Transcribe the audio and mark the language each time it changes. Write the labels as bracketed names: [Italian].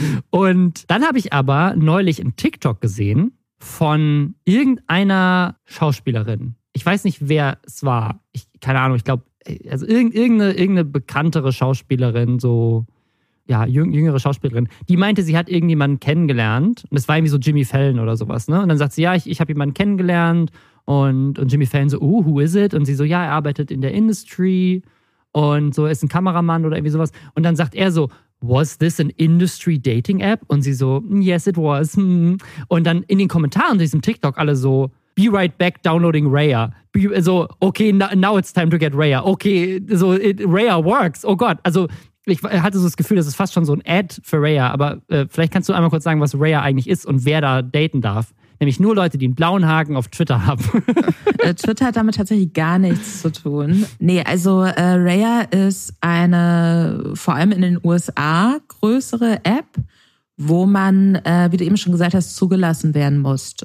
[German] Und dann habe ich aber neulich einen TikTok gesehen von irgendeiner Schauspielerin. Ich weiß nicht, wer es war. Irgendeine bekanntere Schauspielerin, so, ja, jüngere Schauspielerin, die meinte, sie hat irgendjemanden kennengelernt. Und es war irgendwie so Jimmy Fallon oder sowas, ne? Und dann sagt sie, ja, ich habe jemanden kennengelernt. Und [English] Jimmy Fallon so, who is it? [German] Und sie so, ja, er arbeitet in der Industry. Und so, ist ein Kameramann oder irgendwie sowas. Und dann sagt er so, [English] was this an Industry Dating App? [German] Und sie so, [English] yes, it was. [German] Und dann in den Kommentaren zu diesem TikTok alle so, [English] be right back downloading Raya. So, okay, now it's time to get Raya. Okay, so Raya works. [German] Oh Gott. Also ich hatte so das Gefühl, das ist fast schon so ein Ad für Raya. Aber vielleicht kannst du einmal kurz sagen, was Raya eigentlich ist und wer da daten darf. Nämlich nur Leute, die einen blauen Haken auf Twitter haben. Twitter hat damit tatsächlich gar nichts zu tun. Nee, also Raya ist eine vor allem in den USA größere App, wo man, wie du eben schon gesagt hast, zugelassen werden muss.